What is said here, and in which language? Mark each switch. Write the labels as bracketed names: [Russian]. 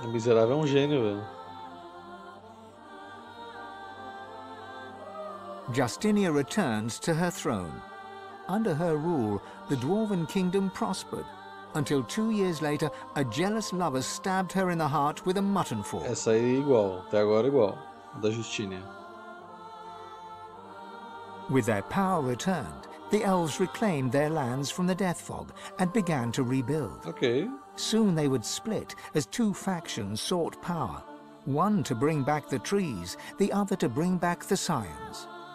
[Portuguese] O miserável é gênio, velho. [English] Justinia returned to her throne. Under her rule, the Dwarven Kingdom prospered, until 2 years later, a jealous lover stabbed her in the heart with a mutton fork. [Portuguese] Essa aí é igual, até agora igual, da Justinia. [English] With their power returned, the elves reclaimed their lands from the death fog and began to rebuild. Okay. Soon they would split as two factions sought power, one to bring back the trees, the other to bring back the scions.